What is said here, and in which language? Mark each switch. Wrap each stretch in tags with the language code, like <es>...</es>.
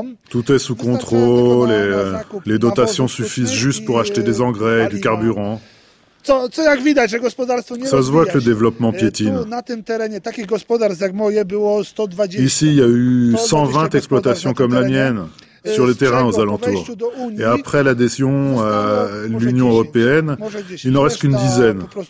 <fr>Tout est sous contrôle et les dotations suffisent juste pour acheter des engrais et du carburant.</fr> <pl>Co jak widać, że gospodarstwo nie rozwija</pl> <fr>się. Que le développement piétine.</fr> <pl>Tu, na tym terenie takich gospodarstw jak moje było 120.</pl> <fr>Ici, il y a eu 120 exploitations comme la mienne. Sur les terrains aux alentours. Et après l'adhésion à l'Union européenne, il n'en reste qu'une dizaine.</fr>